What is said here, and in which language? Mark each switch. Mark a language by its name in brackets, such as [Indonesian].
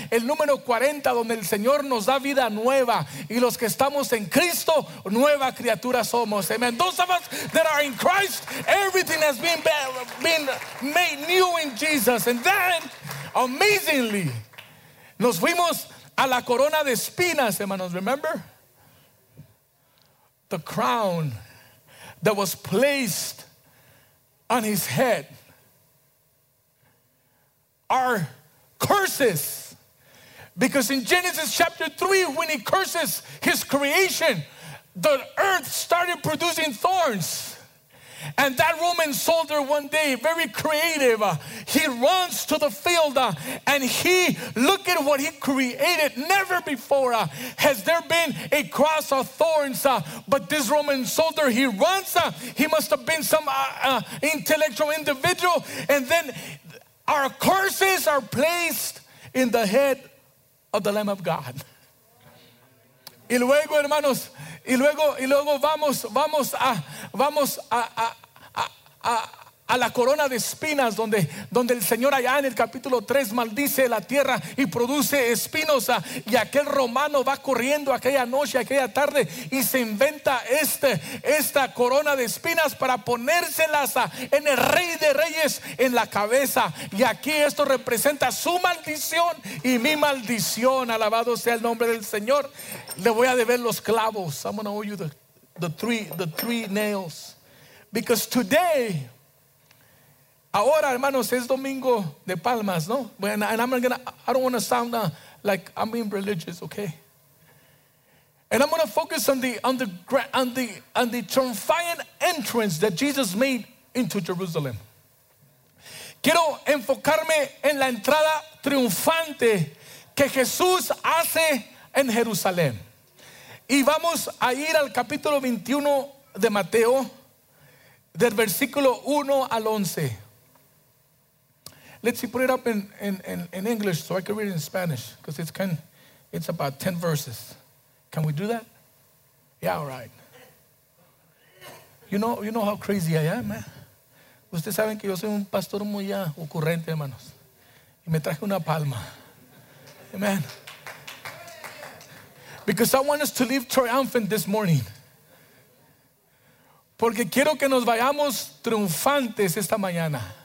[Spanish] El número 40, donde el Señor nos da vida nueva. Y los que estamos en Cristo, nueva criatura somos. Amen. [English] Those of us that are in Christ, everything has been made new in Jesus. And then, amazingly, [Spanish] nos fuimos a la corona de espinas, hermanos. [English] Remember? The crown that was placed on his head. Our curses. Because in Genesis chapter 3, when he curses his creation, the earth started producing thorns. And that Roman soldier one day, very creative, he runs to the field and he, look at what he created. Never before has there been a cross of thorns. But this Roman soldier, he runs. He must have been some intellectual individual. And then our curses are placed in the head of the Lamb of God. [Spanish] Y luego, hermanos, y luego vamos a la corona de espinas, donde el Señor allá en el capítulo 3 maldice la tierra y produce espinos. Y aquel romano va corriendo aquella noche, aquella tarde, y se inventa esta corona de espinas para ponérselas en el Rey de Reyes en la cabeza. Y aquí esto representa su maldición y mi maldición. Alabado sea el nombre del Señor. Le voy a deber los clavos. [English] I'm going to owe you the three nails. Because today, [Spanish] ahora, hermanos, es domingo de palmas, ¿no? Bueno, [English] and I'm gonna, I don't want to sound like I'm being religious, okay? And I'm going to focus on the triumphant entrance that Jesus made into Jerusalem. [Spanish] Quiero enfocarme en la entrada triunfante que Jesús hace en Jerusalén. Y vamos a ir al capítulo 21 de Mateo, del versículo 1 al 11. [English] Let's see, put it up in English so I can read it in Spanish, because it's about 10 verses. Can we do that? Yeah, all right. You know how crazy I am, man. [Spanish] Ustedes saben que yo soy un pastor muy ocurrente, hermanos. Y me traje una palma. Amen. [English] Because I want us to leave triumphant this morning. [Spanish] Porque quiero que nos vayamos triunfantes esta mañana.